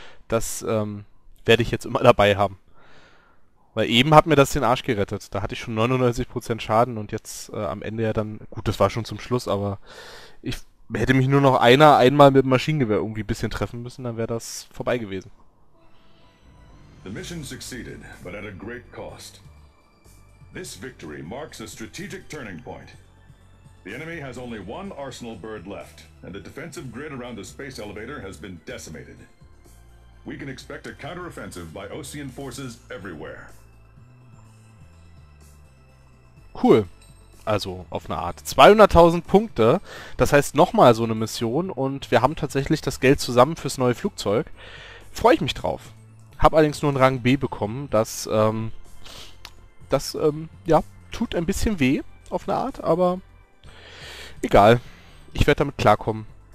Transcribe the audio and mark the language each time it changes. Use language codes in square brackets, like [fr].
[de] Das werde ich jetzt immer dabei haben. Weil eben hat mir das den Arsch gerettet. Da hatte ich schon 99% Schaden und jetzt am Ende ja dann... Gut, das war schon zum Schluss, aber ich hätte mich nur noch einmal mit dem Maschinengewehr irgendwie ein bisschen treffen müssen, dann wäre das vorbei gewesen. [en] The mission succeeded, but at a great cost. This victory marks a strategic turning point. The enemy has only one arsenal bird left, and the defensive grid around the space elevator has been decimated. We can expect a counteroffensive by Ocean forces everywhere. [de] Cool. Also, auf eine Art. 200.000 Punkte, das heißt nochmal so eine Mission und wir haben tatsächlich das Geld zusammen fürs neue Flugzeug. Freue ich mich drauf. Hab allerdings nur einen Rang B bekommen, das tut ein bisschen weh, auf eine Art, aber egal. Ich werde damit klarkommen.